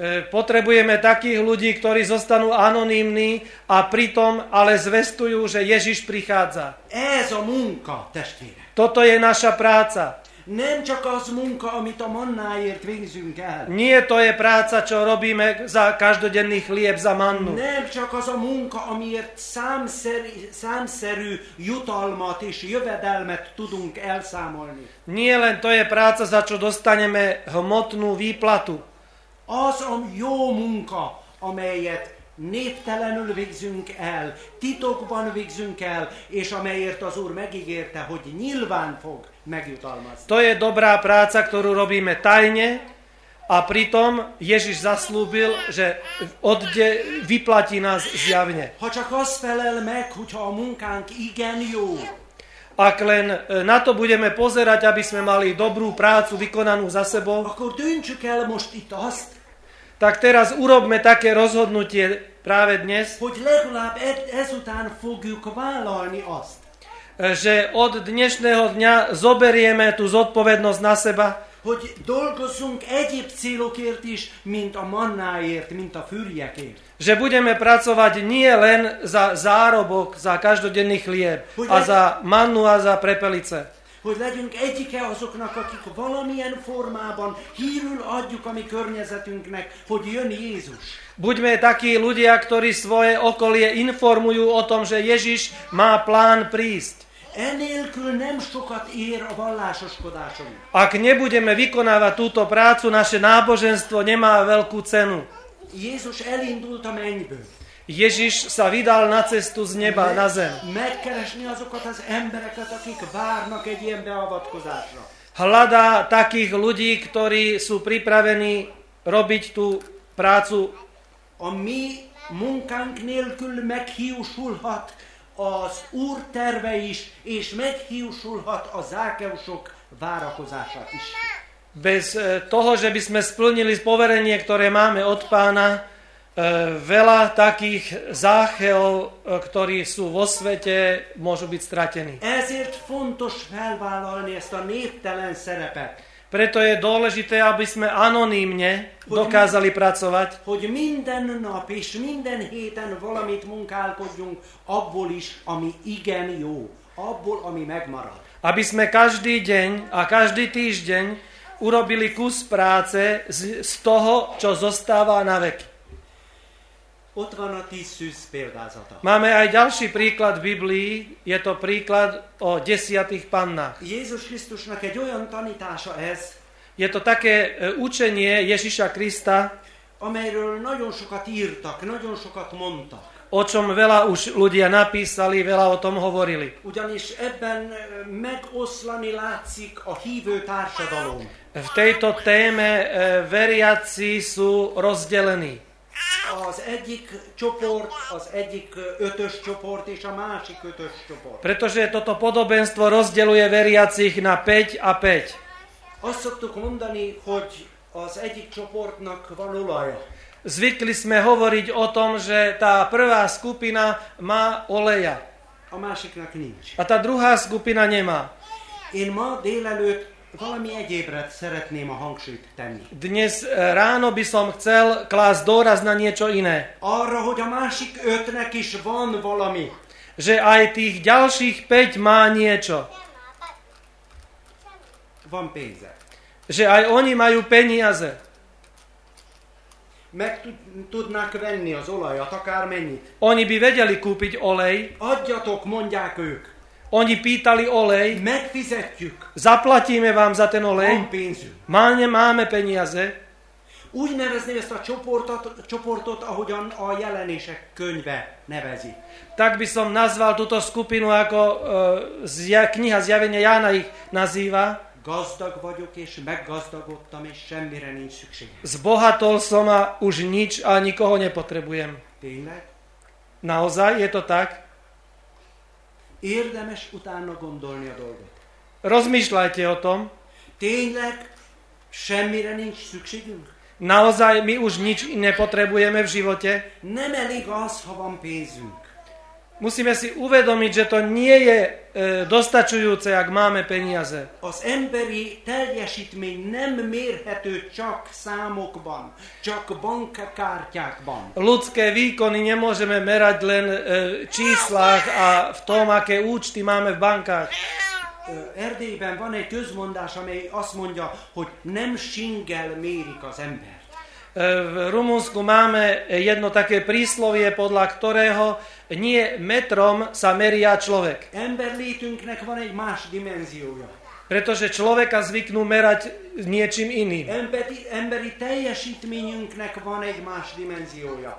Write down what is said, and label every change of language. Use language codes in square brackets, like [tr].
[sk] Potrebujeme takých ľudí, ktorí zostanú anonimní a pritom ale zvestujú, že Ježiš prichádza. [hu] Ez a munka, testvére. [sk] Toto je naša práca. [hu] Nem csak az munka, amit a mannáért végzünk el. [sk] Nie, to je práca, čo robíme za každodenný chlieb, za mannu. [hu] Nem csak az a munka, amiért számszerű jutalmat és jövedelmet tudunk elszámolni. [sk] Nie len to je práca, za čo dostaneme hmotnú výplatu. [hu] Az a jó munka, amelyet névtelenül végzünk el, titokban végzünk el, és amelyért az Úr megígérte, hogy nyilván fog megjutalmazni. [sk] To je dobrá práca, ktorú robíme tajne, a pritom Ježiš zaslúbil, že vyplatí nás zjavne. [hu] Ha csak az felel meg, hogyha a munkánk igen jó. [sk] Ak len na to budeme pozerať, aby sme mali dobrú prácu vykonanú za sebou, [hu] akkor döntsük el most itt azt, [sk] tak teraz urobme také rozhodnutie práve dnes, [hu] hogy legalább ezután fogjuk vállalni azt, [sk] že od dnešného dňa zoberieme tú zodpovednosť na seba, [hu] hogy dolgozzunk egyéb célokért is, mint a mannáért, mint a fürjekért. [sk] Že budeme pracovať nie len za zárobok, za každodenný chlieb, a za mannu a za prepelice. [hu] Hogy legyünk egyike azoknak, akik valamilyen formában hírül adjuk a mi környezetünknek, hogy jön Jézus. [sk] Buďme takí ľudia, ktorí svoje okolie informujú o tom, že Ježiš má plán prísť. [hu] Enélkül nem sokat ér a vallásoskodásunk. [sk] Ak nebudeme vykonávať túto prácu, naše náboženstvo nemá veľkú cenu. [hu] Jézus elindult a mennyből. [sk] Ježiš sa vydal na cestu z neba na zem. [hu] Megkeresni azokat az embereket, akik várnak egy ilyen beavatkozásra. [sk] Hľadá takých ľudí, ktorí sú pripravení robiť tú prácu. [hu] A mi munkánk nélkül meghiúsulhat az Úr terve is, és meghiúsulhat a Zákeusok várakozása is. [sk] Bez toho, že by sme splnili poverenie, ktoré máme od Pána, veľa takých záchel, ktorí sú vo svete, môžu byť stratení. [hu] Ezért fontos felvállalni ezt a néptelen szerepet. [sk] Preto je dôležité, aby sme anonymne dokázali pracovať. [hu] Hogy minden nap és minden héten valamit munkálkodjunk abból is, ami igen jó, abból, ami megmarad. [sk] Aby sme každý deň a každý týždeň urobili kus práce z toho, čo zostáva na vek. [hu] Ott van a 10 szűz példázata. [sk] Máme aj ďalší príklad v Biblii, je to príklad o 10 pannách. [hu] Jézus Krisztusnak egy olyan tanítása ez. [sk] Je to také učenie Ježiša Krista, [hu] amelyről nagyon sokat írtak, nagyon sokat mondtak. [sk] O čom veľa už ľudia napísali, veľa o tom hovorili. [hu] Ugyanis ebben megoszlani látszik a hívő társadalom. [sk] V tejto téme veriaci sú rozdelení. [hu] Az egyik csoport, az egyik ötös csoport és a másik ötös csoport. [sk] Pretože toto podobenstvo rozdeľuje veriacich na 5 a 5. [hu] Azt szoktuk mondani, hogy az egyik csoportnak van olaja. [sk] Zvykli sme hovoriť o tom, že tá prvá skupina má oleja. [hu] A másiknak nincs. [sk] A tá druhá skupina nemá. [hu] Én ma délelőtt valami egyébre szeretném a hangsúlyt tenni. [sk] Dnes ráno by som chcel klásť dôraz na niečo iné. [hu] Arra, hogy a másik ötnek is van valami. [sk] Že aj tých ďalších 5 má niečo. [hu] Van pénze. [sk] Že aj oni majú peniaze. [hu] Meg tudnak venni az olajat, akár mennyit. [sk] Oni by vedeli kúpiť olej. [hu] Adjatok, mondják ők. [sk] Oni pýtali olej. [hu] Megfizetjük. [sk] Zaplatíme vám za ten olej. [hu] Mám pénzü. [sk] Máme peniaze. [hu] Úgy nevezni ezt a csoportot, ahogyan a jelenések könyve nevezi. [sk] Tak by som nazval túto skupinu, ako kniha Zjavenia Jána ich nazýva. [hu] Gazdag vagyok és meggazdagodtam és semmire nincs szükségem. [sk] Zbohatol som a už nič a nikoho nepotrebujem. [hu] Tényleg? [sk] Naozaj je to tak? [hu] Érdemes utána gondolni a dolgot. [sk] Rozmýšľajte o tom. [hu] Tényleg semmire nincs szükségünk? [sk] Naozaj my už nič nepotrebujeme v živote? [hu] Nem elég az, ha van pénzünk. [sk] Musíme si uvedomiť, že to nie je dostačujúce, ak máme peniaze. [hu] Az emberi teljesítmény nem mérhető csak számokban, csak bankkártyákban. [sk] Ľudské výkony nemôžeme merať len číslach a v tom, aké účty máme v bankách. [hu] Erdélyben van egy közmondás, amely azt mondja, hogy nem singel mérik az ember. [sk] V Rumunsku máme jedno také príslovie, podľa ktorého nie metrom sa meria človek. [hu] Ember létünknek van egy más dimenziója. [sk] Pretože človeka zvyknú merať niečím iným. [hu] Emberi teljesítményünknek van egy más dimenziója.